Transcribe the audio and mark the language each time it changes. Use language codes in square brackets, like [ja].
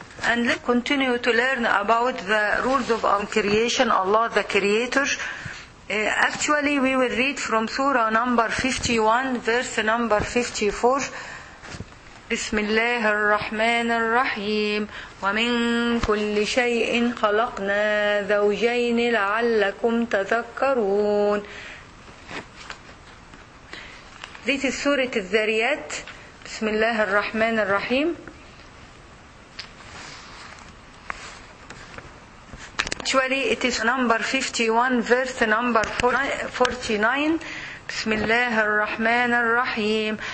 [en] and continue to learn about the rules of our creation, Allah the Creator. Actually, we will read from Surah number 51, verse number 54. [ar] بسم الله الرحمن الرحيم ومن كل شيء خلقنا زوجين لعلكم تذكرون. [en] This is سورة الذاريات. [ar] بسم الله الرحمن الرحيم. [en] Actually it is number 51 verse number 49. [ar] بسم الله الرحمن الرحيم.